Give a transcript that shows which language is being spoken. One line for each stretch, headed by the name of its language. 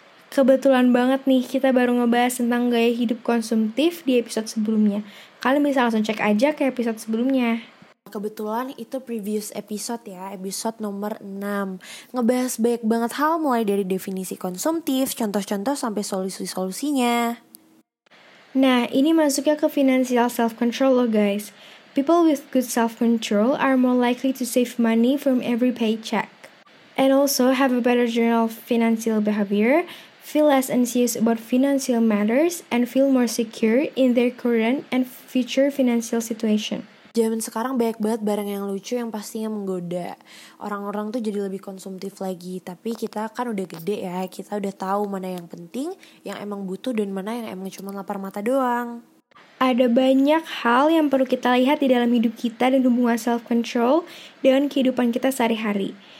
Indonesian: Kebetulan banget nih, kita baru ngebahas tentang gaya hidup konsumtif di episode sebelumnya. Kalian bisa langsung cek aja ke episode sebelumnya. Kebetulan itu
English: previous episode
Indonesian: ya, episode nomor 6. Ngebahas banyak banget hal, mulai dari definisi konsumtif, contoh-contoh, sampai solusi-solusinya. Nah, ini masuknya ke financial self-control loh guys.
English: People with good self-control are more likely to save money from every paycheck. And also have a better general financial behavior, feel less anxious about financial matters, and feel more secure in their current and future financial situation.
Indonesian: Zaman sekarang banyak banget barang yang lucu yang pastinya menggoda. Orang-orang tuh jadi lebih konsumtif lagi. Tapi kita kan udah gede ya, kita udah tahu mana yang penting, yang emang butuh, dan mana yang emang cuma lapar mata doang. Ada banyak hal yang perlu kita lihat di dalam hidup kita dan hubungan self-control dengan kehidupan kita sehari-hari.